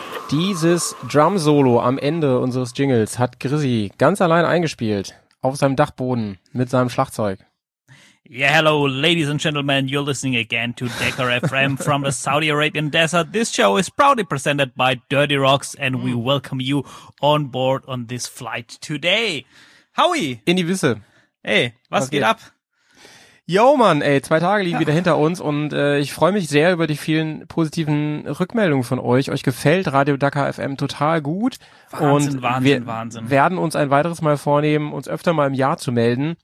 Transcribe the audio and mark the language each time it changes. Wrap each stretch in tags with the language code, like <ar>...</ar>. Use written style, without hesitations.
<de>Dieses Drum-Solo am Ende unseres Jingles hat Grizzy ganz allein eingespielt, auf seinem Dachboden, mit seinem Schlagzeug.</de> <en>Yeah, hello, ladies and gentlemen, you're listening again to Decca FM from the Saudi Arabian Desert. This show is proudly presented by Dirty Rocks and we welcome you on board on this flight today. Howie!</en> <de>In die Wüste. Ey, was geht ab? Yo, Mann, ey, 2 Tage liegen wieder hinter uns und ich freue mich sehr über die vielen positiven Rückmeldungen von euch. Euch gefällt Radio Decca FM total gut. Wahnsinn. Wir werden uns ein weiteres Mal vornehmen, uns öfter mal im Jahr zu melden.</de>